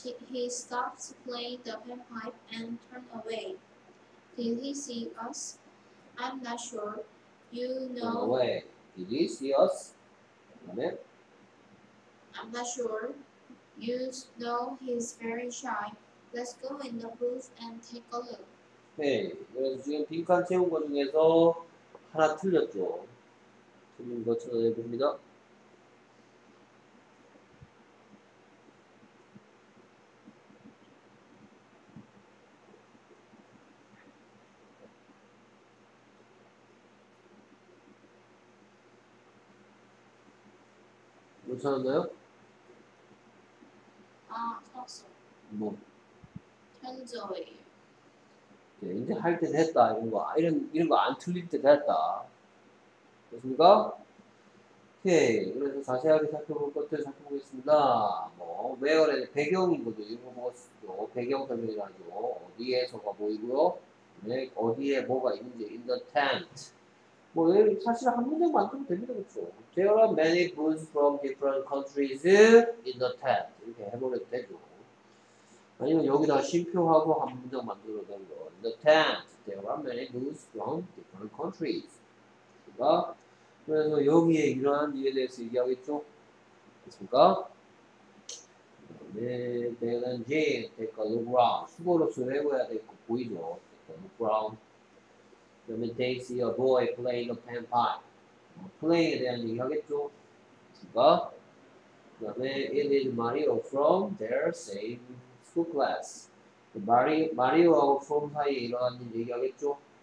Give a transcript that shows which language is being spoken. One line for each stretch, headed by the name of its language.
English: He stops playing the panpipe and turns away. Did he see us? I'm not sure. You know. Turn away. Did he see us? Come in. I'm not sure. You know he's very shy. Let's go in the booth and take a look.
Korean: 네, 그래서 지금 빈칸 채운 것 중에서 하나 틀렸죠. 틀린 것 찾아내봅니다. 못 찾았나요? 아, 찾았어. 뭐? 현저예요. 네, 이제 할 때 됐다. 이런 거, 이런 거 안 틀릴 때 됐다. 됐습니까? 오케이. 그래서 자세하게 살펴볼 것들 살펴보겠습니다. 뭐, 웨어의 배경인 거죠. 이거 뭐, 배경 설명이라죠. 어디에서가 보이고요. 네, 어디에 뭐가 있는지.
English: In the tent.
Korean: 뭐, 여기 사실 한 문장 만들면 됩니다. 그쵸?
English: There are many goods from different countries in the tent.
Korean: 이렇게 해버려도 되죠. 아니면 여기다 쉼표하고 한 문장 만들어낸 거.
English: In the tent, there are many goods from different countries.
Korean: 그니까, 그래서 여기에 이러한 일에 대해서 얘기하겠죠? 그니까, 네,
English: Dale and Jean, take a look around.
Korean: 수고로서 해봐야 될 거 보이죠?
English: Take a look around.
Korean: 그 다음에
English: they see a boy playing a panpipe. Playing에
Korean: 대한 얘기 하겠죠? 그니까, 그 다음에
English: it is Mario from their same school class.
Korean: 마리오하고 프롬 사이에 일어났는지 얘기하겠죠?